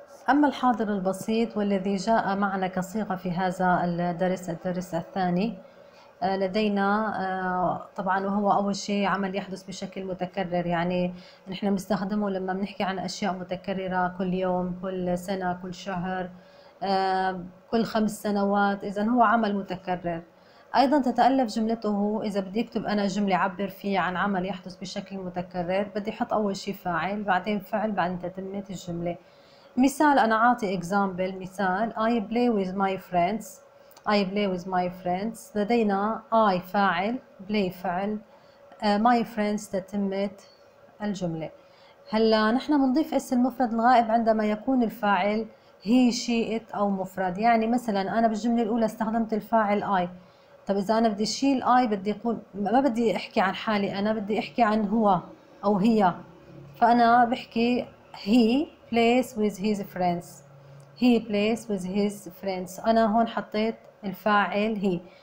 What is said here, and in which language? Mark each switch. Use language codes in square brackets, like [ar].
[ar] أما الحاضر البسيط والذي جاء معنا كصيغة في هذا الدرس، الدرس الثاني لدينا طبعا، وهو أول شيء عمل يحدث بشكل متكرر، يعني نحن بنستخدمه لما بنحكي عن أشياء متكررة كل يوم، كل سنة، كل شهر، كل 5 سنوات، إذا هو عمل متكرر. أيضا تتألف جملته، إذا بدي أكتب أنا جملة أعبر فيها عن عمل يحدث بشكل متكرر بدي أحط أول شيء فاعل، بعدين فعل، بعدين تتمة الجملة. مثال، أنا أعطي example، مثال [en] I play with my friends، [ar] I play with my friends، لدينا I فاعل، play فعل، my friends تتمة الجملة. هلا نحن بنضيف اسم المفرد الغائب عندما يكون الفاعل هي شيء او مفرد، يعني مثلا انا بالجمله الاولى استخدمت الفاعل اي، طب اذا انا بدي اشيل اي بدي اقول، ما بدي احكي عن حالي انا، بدي احكي عن هو او هي، فانا بحكي [en] he plays with his friends, [ar] هي بلايس ويز هيز فريندز، انا هون حطيت الفاعل هي.